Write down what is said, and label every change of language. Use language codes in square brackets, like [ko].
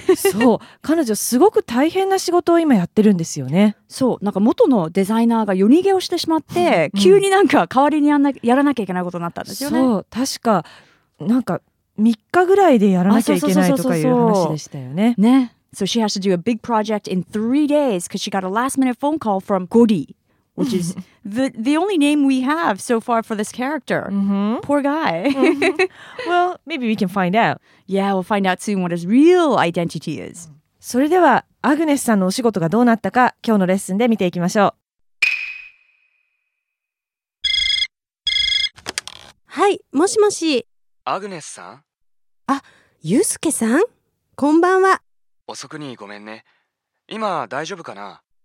[ja] そう、彼女すごく大変な仕事を今やってるんですよね。そう、なんか元のデザイナーが夜逃げをしてしまって、うん、急になんか代わりにやらなきゃいけないことになったんですよね。そう、確かなんか3日ぐらいでやらなきゃいけないとかいう話でしたよね。 [en] ね、So she has to do a big project in 3 days because she got a last minute phone call from Gori, which is the only name we have so far for this character. Mm-hmm. Poor guy. Mm-hmm. Well, maybe we can find out. Yeah, we'll find out soon what his real identity is. [ja] それでは、アグネスさんのお仕事がどうなったか、今日のレッスンで見ていきましょう。はい、もしもし。アグネスさん？あ、ユウスケさん？こんばんは。遅くにごめんね。今大丈夫かな？